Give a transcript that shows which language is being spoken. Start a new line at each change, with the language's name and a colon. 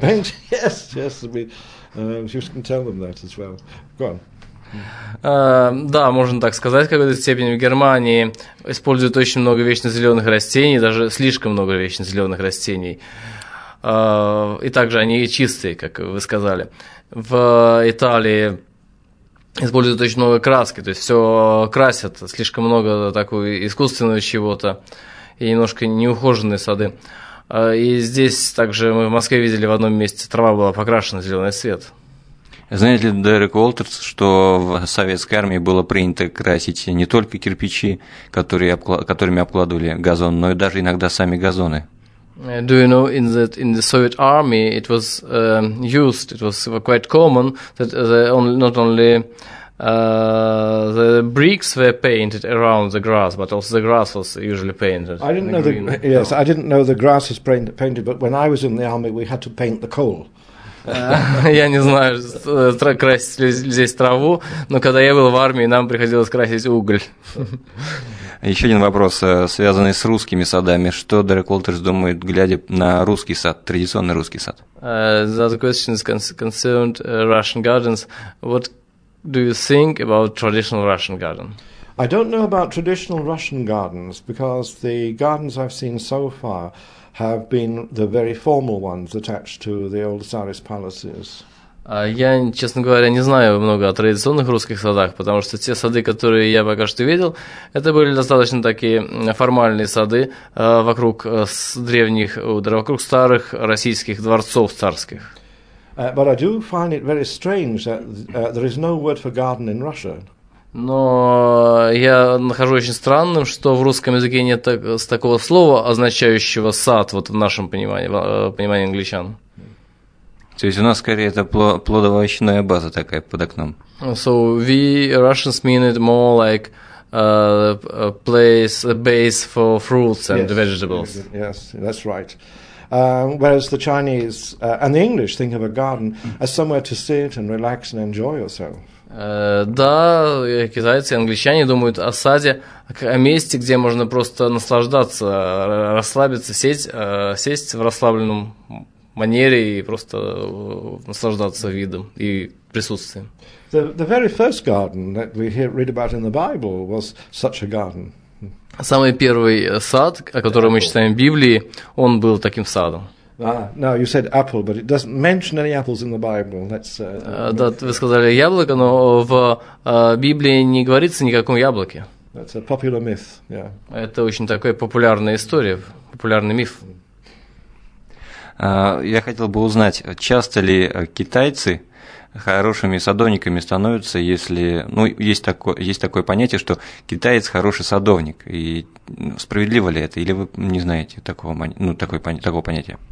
English: Paint, yes, you can tell them that as well. Go on.
Russian: Да, можно так сказать, в какой-то степени в Германии используют очень много вечно-зеленых растений, даже слишком много вечно-зеленых растений. И также они чистые, как вы сказали. В Италии используют очень много краски, то есть все красят, слишком много такого искусственного чего-то и немножко неухоженные сады. И здесь также мы в Москве видели в одном месте, трава была покрашена в зеленый цвет. Знаете ли, Дерек Уолтерс, что в советской армии было принято красить не только кирпичи, которыми обкладывали газон, но и даже иногда сами газоны?
English: Do you know in the Soviet army it was used, it was quite common that the bricks were painted around the grass, but also the grass was usually painted. I didn't know the grass was painted, but when I was in the army we had to paint the coal.
Russian: Я не знаю, красить ли здесь траву, но когда я был в армии, нам приходилось красить уголь. Еще один вопрос, связанный с русскими садами. Что Дерек Уолтерс думает, глядя на русский сад, традиционный русский сад?
English: That question is concerned Russian gardens. What do you think about traditional Russian garden? I don't know about traditional Russian gardens, because the gardens I've seen so far have been the very formal ones attached to the old Tsarist palaces.
Russian: Я, честно говоря, не знаю много о традиционных русских садах, потому что те сады, которые я пока что видел, это были достаточно такие формальные сады вокруг старых российских дворцов царских.
English: But I do find it very strange that there is no word for garden in Russia.
Russian: Но я нахожу очень странным, что в русском языке нет такого слова, означающего сад, вот в нашем понимании, в понимании англичан. То есть у нас скорее это плодово-овощная база такая под окном.
English: So we Russians mean it more like place, a base for fruits and vegetables. Yes, that's right. Whereas the Chinese and the English think of a garden as somewhere to sit and relax and enjoy yourself.
Russian: Да, китайцы, англичане думают о саде, о месте, где можно просто наслаждаться, расслабиться, сесть в расслабленном манере и просто наслаждаться видом и присутствием.
English: The very first garden that we read about in the Bible was such a garden.
Russian: Самый первый сад, о котором мы читаем в Библии, он был таким садом.
English: Now you said apple, but it doesn't mention any apples in the Bible. That's.
Russian: Да, вы сказали яблоко, но в Библии не говорится никаком яблоке.
English: That's a popular myth. Yeah.
Russian: Это очень такая популярная история, популярный миф. Я хотел бы узнать, часто ли китайцы хорошими садовниками становятся, если, ну, есть такое понятие, что китаец хороший садовник, и справедливо ли это, или вы не знаете такого понятия?